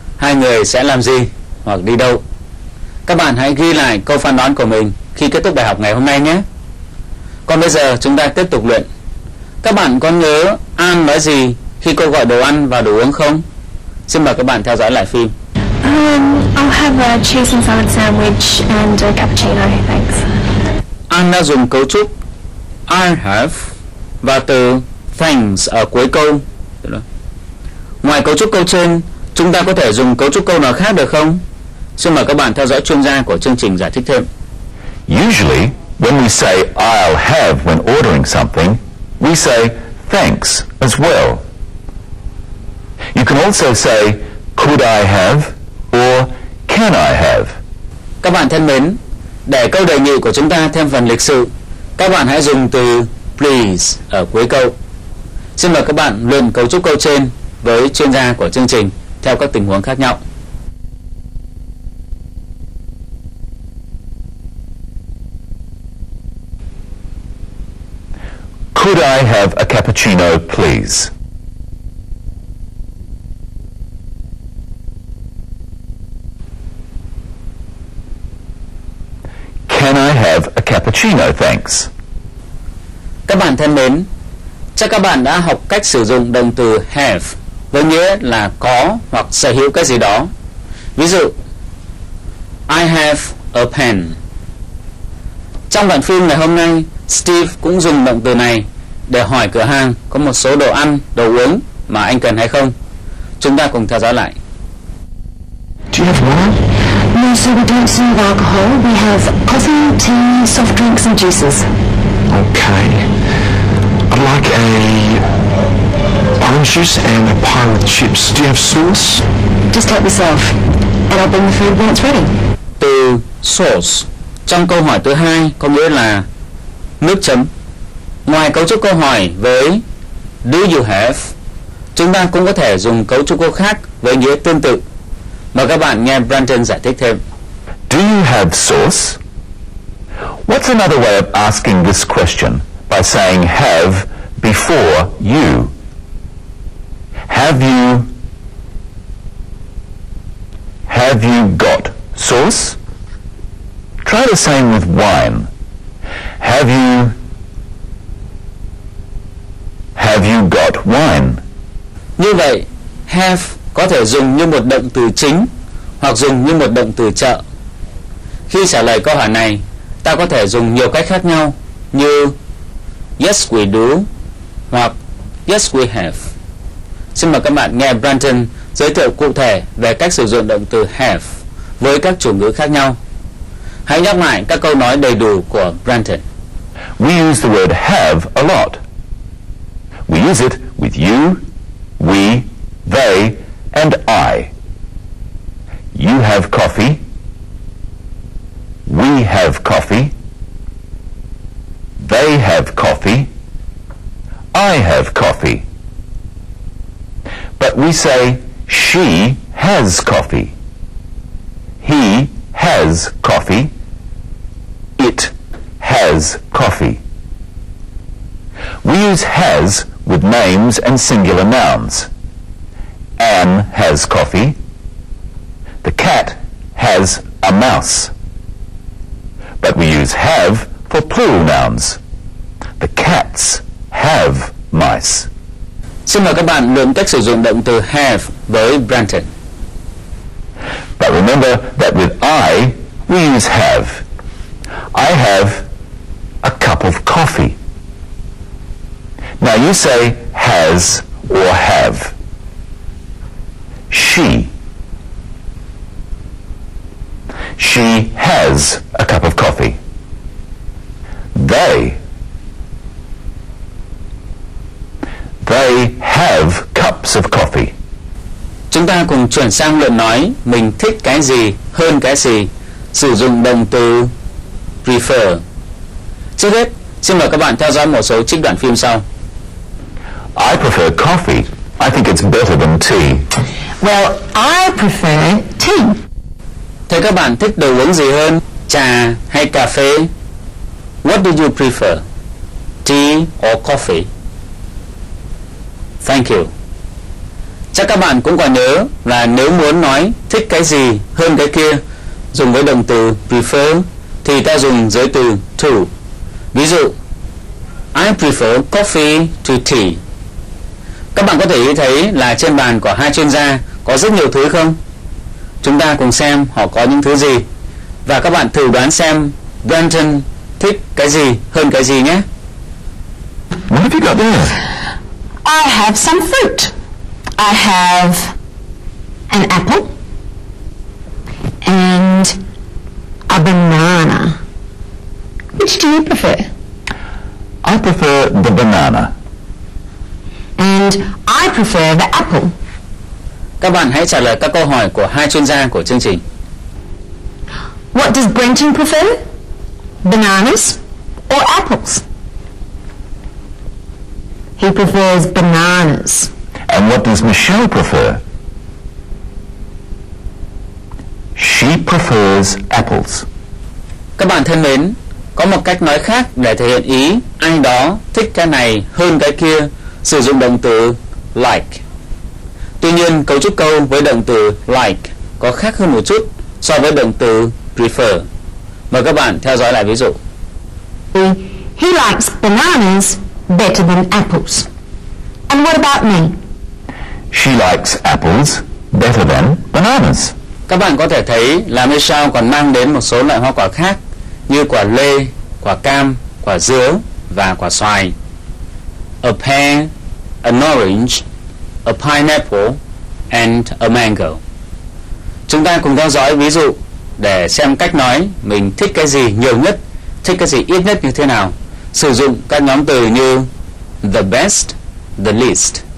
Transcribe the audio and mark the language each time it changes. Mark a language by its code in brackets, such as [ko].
[vi] hai người sẽ làm gì hoặc đi đâu. Các bạn hãy ghi lại câu phán đoán của mình khi kết thúc bài học ngày hôm nay nhé. Còn bây giờ chúng ta tiếp tục luyện. Các bạn có nhớ An nói gì khi cô gọi đồ ăn và đồ uống không? Xin mời các bạn theo dõi lại phim. [en] I'll have a cheese and salad sandwich and a cappuccino, thanks. [vi] An đã dùng cấu trúc [en] I have [vi] và từ thanks ở cuối câu. Ngoài cấu trúc câu trên, chúng ta có thể dùng cấu trúc câu nào khác được không? Xin mời các bạn theo dõi chuyên gia của chương trình giải thích thêm. [en] Usually, when we say I'll have when ordering something, we say thanks as well. You can also say could I have or can I have. [vi] Các bạn thân mến, để câu đề nghị của chúng ta thêm phần lịch sự, các bạn hãy dùng từ please ở cuối câu. Xin mời các bạn luyện cấu trúc câu trên với chuyên gia của chương trình theo các tình huống khác nhau. [en] Could I have a cappuccino, please? Can I have a cappuccino, thanks? [vi] Các bạn thân mến, chắc các bạn đã học cách sử dụng động từ have với nghĩa là có hoặc sở hữu cái gì đó. Ví dụ, [en] I have a pen. [vi] Trong đoạn phim ngày hôm nay, Steve cũng dùng động từ này để hỏi cửa hàng có một số đồ ăn, đồ uống mà anh cần hay không. Chúng ta cùng theo dõi lại. [en] Do you have water? No, sir, we don't serve alcohol. We have coffee, tea, soft drinks and juices. Okay. I'd like a orange juice and a pile of chips. Do you have sauce? Just help yourself. And I'll bring the food when it's ready. [vi] Từ sauce trong câu hỏi thứ hai có nghĩa là nước chấm. Ngoài cấu trúc câu hỏi với [en] do you have, [vi] chúng ta cũng có thể dùng cấu trúc câu khác với nghĩa tương tự. Mời các bạn nghe Brandon giải thích thêm. [en] Do you have sauce? What's another way of asking this question by saying have before you? Have you got sauce? Try the same with wine. Have you got wine? [vi] Như vậy, have có thể dùng như một động từ chính hoặc dùng như một động từ trợ. Khi trả lời câu hỏi này, ta có thể dùng nhiều cách khác nhau như [en] yes we do [vi] hoặc [en] yes we have. [vi] Xin mời các bạn nghe Brandon giới thiệu cụ thể về cách sử dụng động từ have với các chủ ngữ khác nhau. Hãy nhắc lại các câu nói đầy đủ của Brandon. [en] We use the word have a lot. We use it with you, we, they and I. You have coffee. We have coffee. They have coffee. I have coffee. But we say she has coffee. He has coffee. It has coffee. We use has with names and singular nouns. Anne has coffee. The cat has a mouse. But we use have for plural nouns. The cats have mice. [vi] Xin mời các bạn luyện cách sử dụng động từ have với Brandon. [en] But remember that with I, we use have. I have a cup of coffee. Now you say has or have. She has a cup of coffee. They have cups of coffee. [vi] Chúng ta cùng chuyển sang luận nói mình thích cái gì hơn cái gì, sử dụng động từ prefer. Trước hết, xin mời các bạn theo dõi một số trích đoạn phim sau. [en] I prefer coffee. I think it's better than tea. Well, I prefer tea. [vi] Thế các bạn thích đồ uống gì hơn, trà hay cà phê? [en] What do you prefer, tea or coffee? Thank you. [vi] Chắc các bạn cũng còn nhớ là nếu muốn nói thích cái gì hơn cái kia, dùng với động từ prefer, thì ta dùng giới từ to. Ví dụ, [en] I prefer coffee to tea. [vi] Các bạn có thể thấy là trên bàn của hai chuyên gia có rất nhiều thứ không? Chúng ta cùng xem họ có những thứ gì. Và các bạn thử đoán xem Brandon thích cái gì hơn cái gì nhé. [en] What have you got there? I have some fruit. I have an apple and a banana. Which do you prefer? I prefer the banana. And I prefer the apple. [vi] Các bạn hãy trả lời các câu hỏi của hai chuyên gia của chương trình. [en] What does Brenton prefer? Bananas or apples? He prefers bananas. And what does Michelle prefer? She prefers apples. [vi] Các bạn thân mến, có một cách nói khác để thể hiện ý ai đó thích cái này hơn cái kia, sử dụng động từ like. Tuy nhiên, cấu trúc câu với động từ like có khác hơn một chút so với động từ prefer. Mời các bạn theo dõi lại ví dụ. [en] He likes bananas better than apples. And what about me? She likes apples better than bananas. [vi] Các bạn có thể thấy là Michelle còn mang đến một số loại hoa quả khác như quả lê, quả cam, quả dứa và quả xoài. [en] A pear, an orange, a pineapple and a mango. [vi] Chúng ta cùng theo dõi ví dụ để xem cách nói mình thích cái gì nhiều nhất, thích cái gì ít nhất như thế nào, sử dụng các nhóm từ như [en] the best, the least.